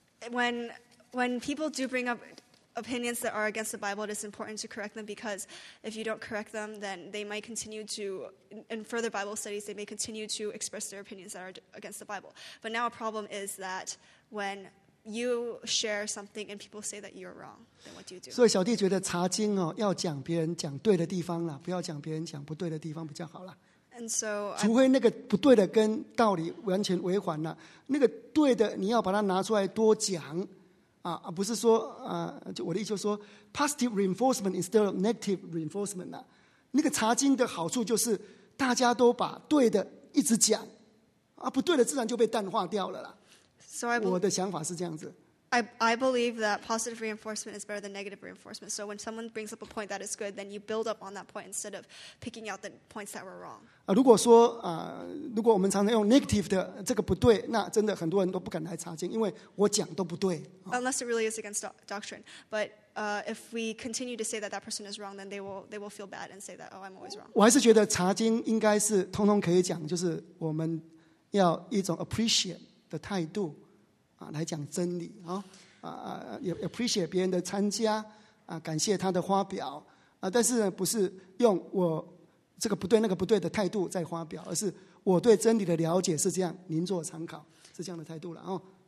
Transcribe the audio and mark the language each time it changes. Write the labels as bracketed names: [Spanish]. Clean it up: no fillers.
[English] when people do bring up opinions that are against the Bible, it is important to correct them, because if you don't correct them, then they might continue to, in further Bible studies, they may continue to express their opinions that are against the Bible. But now a problem is that when you share something and people say that you're wrong, then what do you do? [Chinese] 所以小弟觉得查经哦，要讲别人讲对的地方啦，不要讲别人讲不对的地方比较好啦。 [English] And so, [Chinese] 除非那个不对的跟道理完全违反了，那个对的你要把它拿出来多讲。啊、不是说、就我的意思就是说 [English] positive reinforcement instead of negative reinforcement、 [Chinese] 啊、那个查经的好处就是大家都把对的一直讲、啊、不对的自然就被淡化掉了啦、 [English] so、 [Chinese] 我的想法是这样子 [English] I believe that positive reinforcement is better than negative reinforcement, so when someone brings up a point that is good, then you build up on that point instead of picking out the points that were wrong、 [Chinese] 如果说、如果我们常常用 negative 的这个不对，那真的很多人都不敢来查经，因为我讲都不对 [English] Unless it really is against doctrine. But、if we continue to say that that person is wrong, then they will feel bad and say that, oh, I'm always wrong. [Chinese] 我还是觉得查经应该是通通可以讲，就是我们要一种 appreciate 的态度、啊、来讲真理、哦啊、也 appreciate 别人的参加、啊、感谢他的发表、啊、但是不是用我这个不对那个不对的态度在发表，而是我对真理的了解是这样，您做参考，是这样的态度了、哦